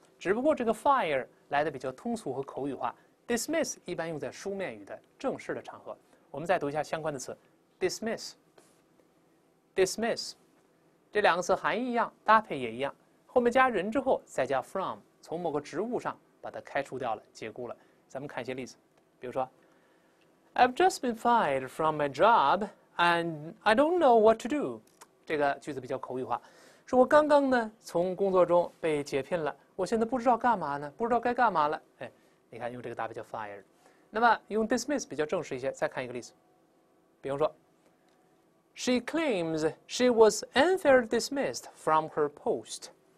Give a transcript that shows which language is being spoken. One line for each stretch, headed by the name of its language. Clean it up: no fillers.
Chinese: 只不过这个 fire 来的比较通俗和口语化 ，dismiss 一般用在书面语的正式的场合。我们再读一下相关的词 ，dismiss，dismiss， 这两个词含义一样，搭配也一样。后面加人之后，再加 from， 从某个职务上把它开除掉了，解雇了。咱们看一些例子，比如说
English: ，I've just been fired from my job and I don't know what to do。
Chinese: 这个句子比较口语化，说我刚刚呢从工作中被解聘了，我现在不知道干嘛呢，不知道该干嘛了。哎，你看用这个搭配叫 fire， 那么用 dismiss 比较正式一些。再看一个例子，比方说
English: ，She claims she was unfairly dismissed from her post。